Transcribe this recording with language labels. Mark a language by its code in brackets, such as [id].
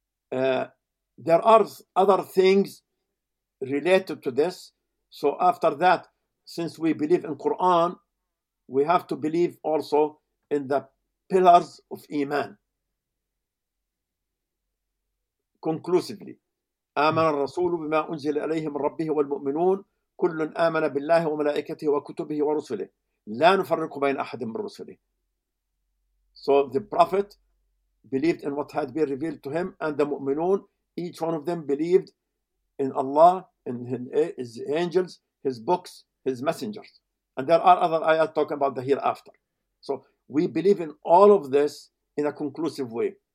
[en] There are other things related to this. So after that, since we believe in Quran, we have to believe also in the pillars of Iman. [ar] Conclusively, آمن الرسول بما أنزل إليه من ربه والمؤمنون كل آمن بالله وملائكته وكتبه ورسله لا نفرق بين أحد من رسله. [en] So the prophet believed in what had been revealed to him and the مؤمنون, each one of them believed in Allah, in his angels, his books, his messengers. And there are other ayat talking about the hereafter. So we believe in all of this in a conclusive way.